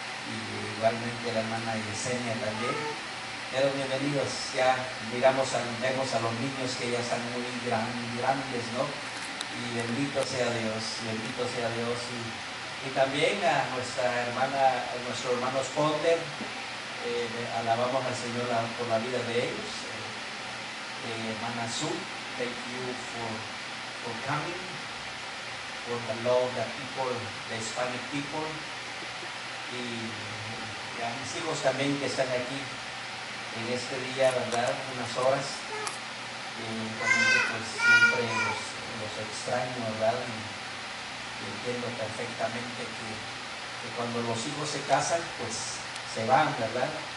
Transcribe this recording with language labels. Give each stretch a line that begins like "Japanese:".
Spanish: Y igualmente la hermana Yesenia también. Pero bienvenidos, ya vemos a los niños que ya están muy grandes, ¿no? Y bendito sea Dios, bendito sea Dios. Y también a nuestra hermana, a nuestro hermano Spotter, alabamos al Señor por la vida de ellos.
English: Hermana Sue, thank you for coming, for the love of the people, the Hispanic people.
Spanish: Y a mis hijos también que están aquí en este día, ¿verdad? Unas horas. Y realmente pues siempre los extraño, ¿verdad? Y entiendo perfectamente que cuando los hijos se casan, pues se van, ¿verdad?